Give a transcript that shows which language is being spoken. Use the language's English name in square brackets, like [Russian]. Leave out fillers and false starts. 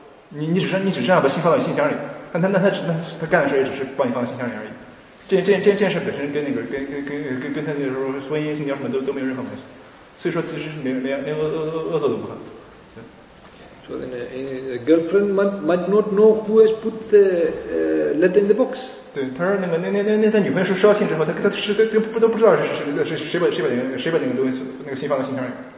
[Chinese] 你只是让把信放到信箱里，但他这干的事也只是把你放到信箱里而已，这件事本身跟那个跟他就是说婚姻性交什么都没有任何关系，所以说其实是连恶作都不可。So [English] then the girlfriend might not know who has put the letter in the box. [Chinese] 对，他说那个女朋友是收到信之后，他都不知道是谁把那个信放到信箱里。